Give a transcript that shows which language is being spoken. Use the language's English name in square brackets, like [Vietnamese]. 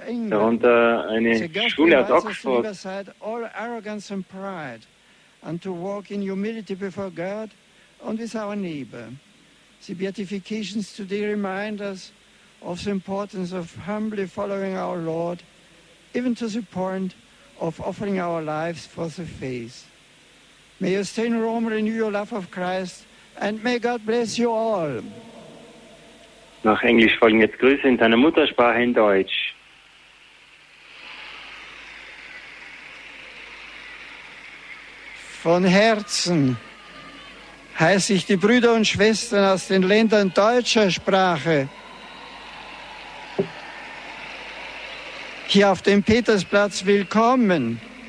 [German] Darunter eine Schule aus Oxford. [English] And to walk in humility before God and with our neighbor. The beatifications today remind us of the importance of humbly following our Lord, even to the point of offering our lives for the faith. May you stay in Rome, renew your love of Christ, and may God bless you all. [German] Nach Englisch folgen jetzt Grüße in deiner Muttersprache in Deutsch. Von Herzen heiße ich die Brüder und Schwestern aus den Ländern deutscher Sprache hier auf dem Petersplatz willkommen.